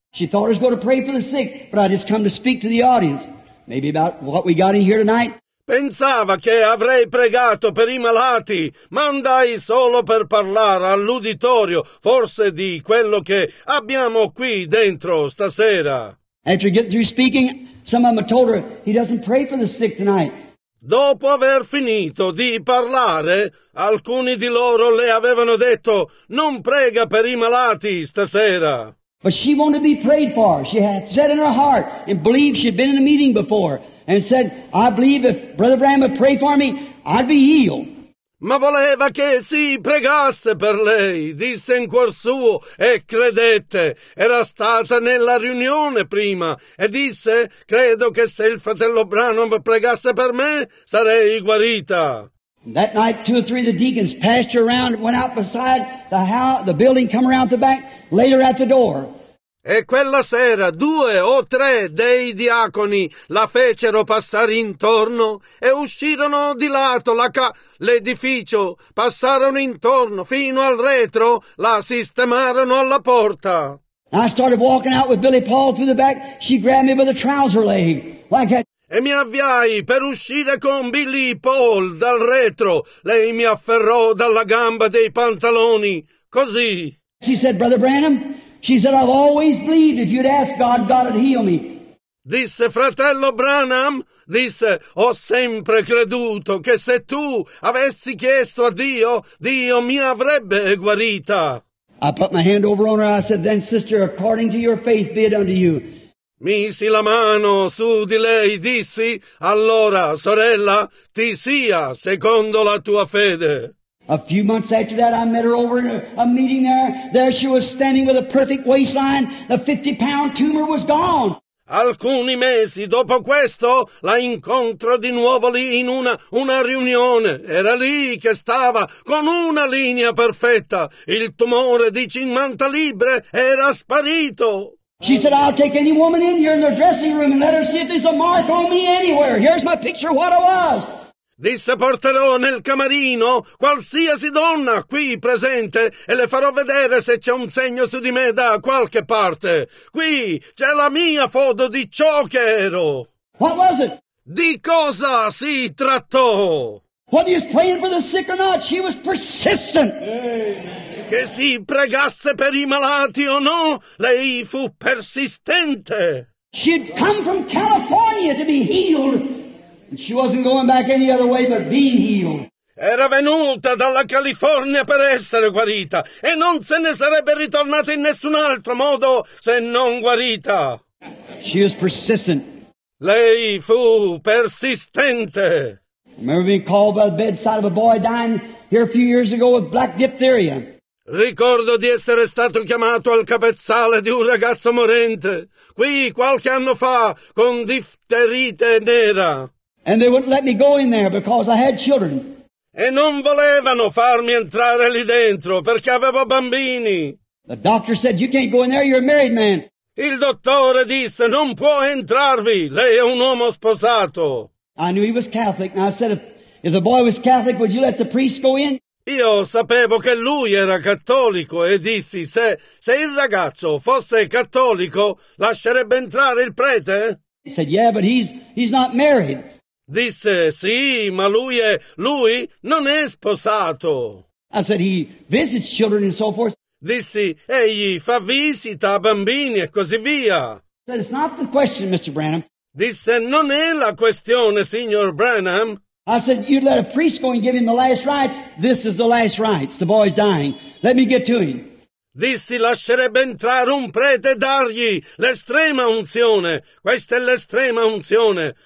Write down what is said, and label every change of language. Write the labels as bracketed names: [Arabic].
[English] She thought I was going to pray for the sick, but I just come to speak to the audience. Maybe about what we got in here tonight. [Italian] Pensava che avrei pregato per i malati, ma andai solo per parlare all'uditorio, forse di quello che abbiamo qui dentro stasera. [English] After getting through speaking, some of them told her he doesn't pray for the sick tonight. [Italian] Dopo aver finito di parlare, alcuni di loro le avevano detto, non prega per i malati stasera. [English] But she wanted to be prayed for. She had said in her heart and believed she had been in a meeting before and said, I believe if Brother Branham would pray for me, I'd be healed. [Italian] Ma voleva che si pregasse per lei, disse in cuor suo, e credette. Era stata nella riunione prima, e disse, credo che se il fratello Branham pregasse per me, sarei guarita. [English] That night, two or three of the deacons passed around, went out beside the building, come around the back, laid her at the door. [Italian] E quella sera due o tre dei diaconi la fecero passare intorno e uscirono di lato l'edificio, passarono intorno fino al retro, la sistemarono alla porta. [English] I started walking out with Billy Paul through the back, she grabbed me by the trouser leg, like that. [Italian] E mi avviai per uscire con Billy Paul dal retro, lei mi afferrò dalla gamba dei pantaloni, così. [English] She said, Brother Branham, she said, I've always believed if you'd ask God, God would heal me. [Italian] Disse, fratello Branham, disse, ho sempre creduto che se tu avessi chiesto a Dio, Dio mi avrebbe guarita. [English] I put my hand over on her, I said, then sister, according to your faith be it unto you. [Italian] Misi la mano su di lei, dissi, allora, sorella, ti sia secondo la tua fede. [English] A few months after that, I met her over in a meeting there. There she was standing with a perfect waistline. The 50-pound tumor was gone. [Italian] Alcuni mesi dopo questo, la incontro di nuovo lì in una riunione. Era lì che stava con una linea perfetta. Il tumore di 50 libbre era sparito. [English] She said, I'll take any woman in here in the dressing room and let her see if there's a mark on me anywhere. Here's my picture, what it was. [Italian] Disse, porterò nel camerino qualsiasi donna qui presente e le farò vedere se c'è un segno su di me da qualche parte. Qui c'è la mia foto di ciò che ero. [English] What was it? [Italian] Di cosa si trattò? [English] Whether you're praying for the sick or not, she was persistent. [Italian] Che si pregasse per i malati o no, lei fu persistente. [English] She'd come from California to be healed. She wasn't going back any other way but being healed. [Italian] Era venuta dalla California per essere guarita e non se ne sarebbe ritornata in nessun altro modo se non guarita. [English] She was persistent. [Italian] Lei fu persistente. [English] Remember being called by the bedside of a boy dying here a few years ago with black diphtheria. [Italian] Ricordo di essere stato chiamato al capezzale di un ragazzo morente qui qualche anno fa con difterite nera. [English] And they wouldn't let me go in there because I had children. [Italian] E non volevano farmi entrare lì dentro perché avevo bambini. [English] The doctor said, you can't go in there, you're a married man. [Italian] Il dottore disse, non può entrarvi, lei è un uomo sposato. [English] I knew he was Catholic, and I said, if the boy was Catholic, would you let the priest go in? [Italian] Io sapevo che lui era cattolico e dissi, se il ragazzo fosse cattolico, lascerebbe entrare il prete? [English] He said, yeah, but he's not married. [Italian] Disse, sì, ma lui non è sposato. [English] I said, he visits children and so forth. [Italian] Dissi, egli fa visita a bambini e così via. [English] I said, it's not the question, Mr. Branham. [Italian] Disse, non è la questione, signor Branham. [English] I said, you let a priest go and give him the last rites. This is the last rites. The boy's dying. Let me get to him. [Italian] Dissi, lascerebbe entrare un prete e dargli l'estrema unzione. Questa è l'estrema unzione.